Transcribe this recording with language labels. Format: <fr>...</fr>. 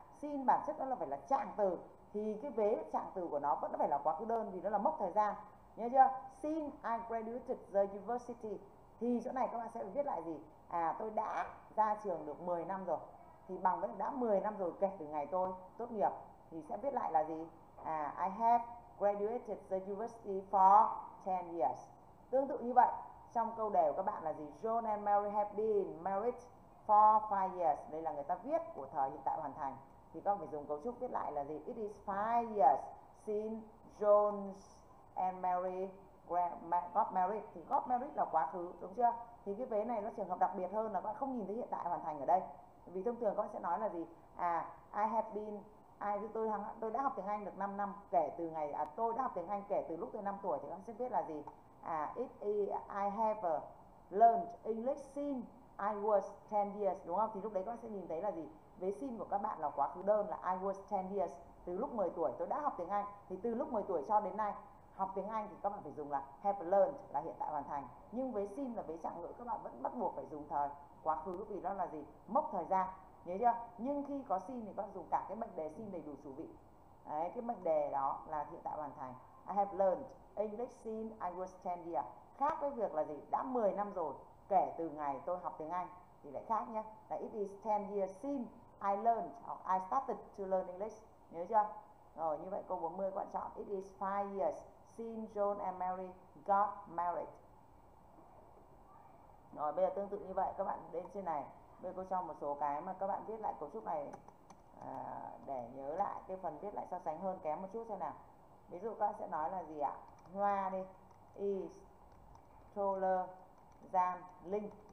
<vi>Since bản chất nó là phải là trạng từ thì cái vế trạng từ của nó vẫn phải là quá khứ đơn vì nó là mốc thời gian. Nhớ chưa?</vi> <en>Since I graduated the university</en> <vi>thì chỗ này các bạn sẽ phải viết lại gì? À tôi đã ra trường được 10 năm rồi. Thì bằng với đã 10 năm rồi kể từ ngày tôi tốt nghiệp thì sẽ viết lại là gì?</vi> <en>À I have graduated the university for 10 years.</en> <vi>Tương tự như vậy, trong câu đề của các bạn là gì?</vi> <en>John and Mary have been married for 5 years.</en> <vi>Đây là người ta viết của thời hiện tại hoàn thành. Thì các bạn phải dùng cấu trúc viết lại là gì?</vi> <en>It is 5 years since John and Mary got married.</en> <vi>Thì got married là quá khứ, đúng chưa? Thì cái vế này nó trường hợp đặc biệt hơn là các bạn không nhìn thấy hiện tại hoàn thành ở đây. Vì thông thường các bạn sẽ nói là gì? À,</vi> <en>I have been</en> <vi>tôi đã học tiếng Anh được 5 năm kể từ ngày tôi đã học tiếng Anh kể từ lúc tôi 5 tuổi thì các bạn sẽ viết là gì? À</vi> <en>I have learned English since I was 10 years,</en> <vi>đúng không? Thì lúc đấy các bạn sẽ nhìn thấy là gì? Vế sin của các bạn là quá khứ đơn là</vi> <en>I was 10 years,</en> <vi>từ lúc 10 tuổi tôi đã học tiếng Anh. Thì từ lúc 10 tuổi cho đến nay học tiếng Anh thì các bạn phải dùng là have learned là hiện tại hoàn thành. Nhưng vế sin là vế trạng ngữ các bạn vẫn bắt buộc phải dùng thời quá khứ vì nó là gì? Mốc thời gian. Nhớ chưa? Nhưng khi có xin thì các bạn dùng cả cái mệnh đề xin đầy đủ chủ vị. Đấy, cái mệnh đề đó là hiện tại hoàn thành.</vi> <en>I have learned English since I was 10 years.</en> <vi>Khác với việc là gì? Đã 10 năm rồi kể từ ngày tôi học tiếng Anh thì lại khác nhé.</vi> <en>Là it is 10 years since I learned or I started to learn English.</en> <vi>Nhớ chưa? Rồi, như vậy câu 40 các bạn chọn.</vi> <en>It is 5 years since John and Mary got married.</en> <vi>Rồi, bây giờ tương tự như vậy các bạn lên trên này. Bây giờ cô cho một số cái mà các bạn viết lại cấu trúc này để nhớ lại cái phần viết lại so sánh hơn kém một chút xem nào. Ví dụ các bạn sẽ nói là gì ạ? Hoa đi.</vi> <en>Is taller than Linh.</en>